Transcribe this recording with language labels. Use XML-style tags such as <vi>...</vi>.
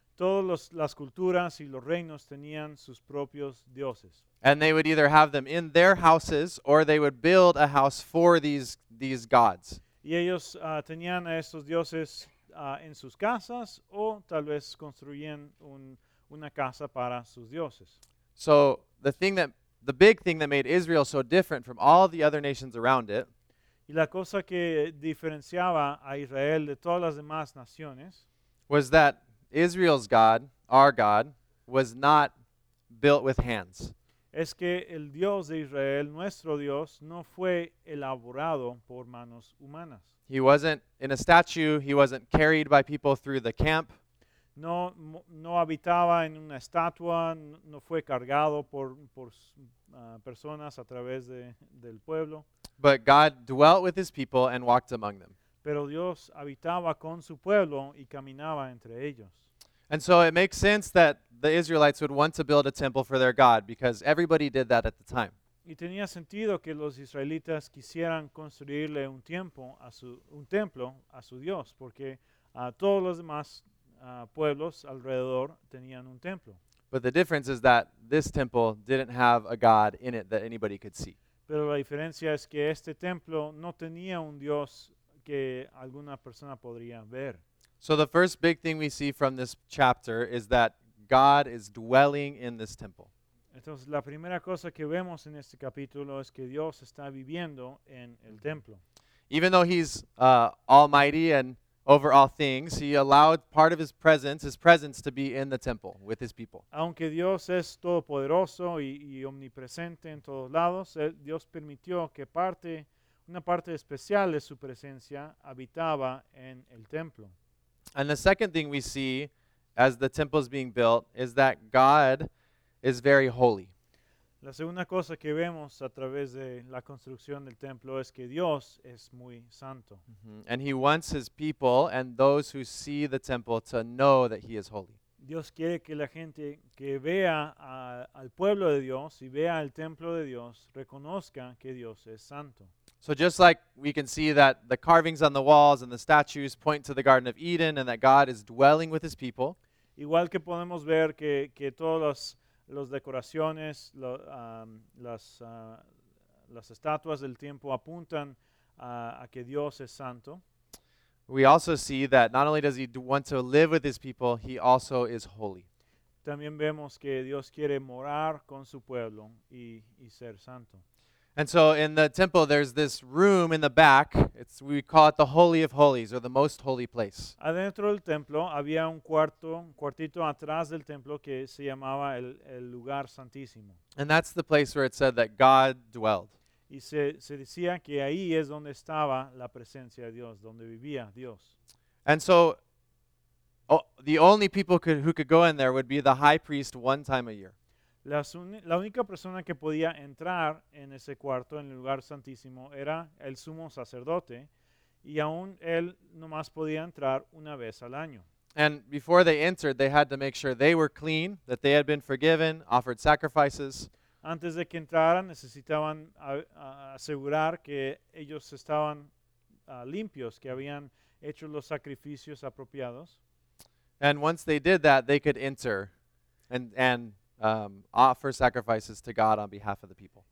<es>Todos las culturas y los reinos tenían sus propios dioses.</es> <en>And they would either have them in their houses, or they would build a house for these gods.</en> <es>Y ellos tenían a estos dioses en sus casas o tal vez construyen una casa para sus dioses.</es> <en>So the big thing that made Israel so different from all the other nations around it.</en> <es>Y la cosa que diferenciaba a Israel de todas las demás naciones</es> <en>was that Israel's God, our God, was not built with hands.</en> <es>Es que el Dios de Israel, nuestro Dios, no fue elaborado por manos humanas.</es> <en>He wasn't in a statue. He wasn't carried by people through the camp.</en> <es>No habitaba en una estatua. No fue cargado por personas a través del pueblo.</es> <en>But God dwelt with his people and walked among them.</en> <es>Pero Dios habitaba con su pueblo y caminaba entre ellos.</es> <en>And so it makes sense that the Israelites would want to build a temple for their God because everybody did that at the time.</en> <es>Y tenía sentido que los israelitas quisieran construirle un templo a su Dios porque todos los demás pueblos alrededor tenían un templo.</es> <en>But the difference is that this temple didn't have a God in it that anybody could see.</en> <es>Pero la diferencia es que este templo no tenía un Dios que alguna persona podría ver.</es> <en>So the first big thing we see from this chapter is that God is dwelling in this temple.</en> <es>Entonces, la primera cosa que vemos en este capítulo es que Dios está viviendo en el templo.</es> <en>Even though he's almighty and over all things, he allowed part of his presence to be in the temple with his people.</en> <es>Aunque Dios es todopoderoso y omnipresente en todos lados, Dios permitió que una parte especial de su presencia habitaba en el templo.</es> <en>And the second thing we see as the temple is being built is that God is very holy.</en> <es>La segunda cosa que vemos a través de la construcción del templo es que Dios es muy santo. Mm-hmm.</es> <en>And he wants his people and those who see the temple to know that he is holy.</en> <es>Dios quiere que la gente que vea al pueblo de Dios y vea el templo de Dios reconozca que Dios es santo.</es> <en>So just like we can see that the carvings on the walls and the statues point to the Garden of Eden and that God is dwelling with his people.</en> <es>Igual que podemos ver que todos los decoraciones, las estatuas del tiempo apuntan a que Dios es santo.</es> <en>We also see that not only does he want to live with his people, he also is holy.</en> <es>También vemos que Dios quiere morar con su pueblo y ser santo.</es> <en>And so in the temple, there's this room in the back. We call it the Holy of Holies, or the most holy place.</en> <es>Adentro del templo había un cuartito atrás del templo que se llamaba el lugar santísimo.</es> <en>And that's the place where it said that God dwelled.</en> <es>Y se decía que ahí es donde estaba la presencia de Dios, donde vivía Dios.</es> <en>And so the only people who could go in there would be the high priest one time a year.</en> <es>La única persona que podía entrar en ese cuarto, en el lugar santísimo, era el sumo sacerdote, y aún él nomás podía entrar una vez al año.</es> <en>And before they entered, they had to make sure they were clean, that they had been forgiven, offered sacrifices.</en> <es>Antes de que entraran, necesitaban asegurar que ellos estaban limpios, que habían hecho los sacrificios apropiados.</es> <en>And once they did that, they could enter and offer sacrifices to God on behalf of the people.</en>